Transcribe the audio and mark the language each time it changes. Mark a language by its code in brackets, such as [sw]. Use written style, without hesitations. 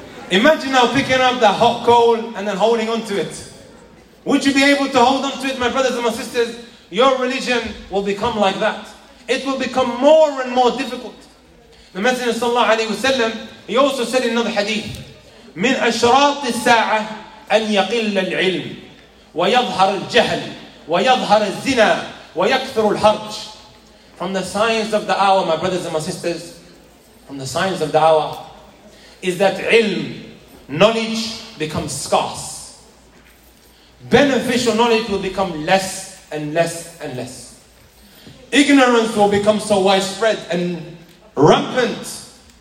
[en] Imagine now picking up the hot coal and then holding on to it. Would you be able to hold on to it, my brothers and my sisters? Your religion will become like that. It will become more and more difficult. The Messenger sallallahu alayhi wa sallam, he also said in another hadith, [ar] من أشراط الساعة أن يقل العلم ويظهر الجهل ويظهر الزنا ويكثر الحرج. [en] From the signs of the hour, my brothers and my sisters, from the signs of the hour, is that ilm, knowledge, becomes scarce. Beneficial knowledge will become less and less and less. Ignorance will become so widespread and rampant.